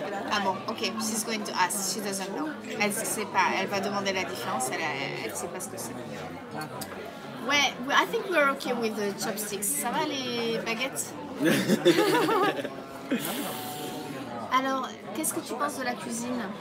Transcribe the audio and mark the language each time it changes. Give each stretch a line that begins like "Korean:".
French: Ah, bon,
English: ok, she's going to ask, she doesn't know.
French: Elle ne sait pas, elle va demander la différence, elle ne sait pas ce que c'est.
English: Ouais, I think we're ok with the chopsticks.
French: Ça va les baguettes? Alors, qu'est-ce que tu penses de la cuisine?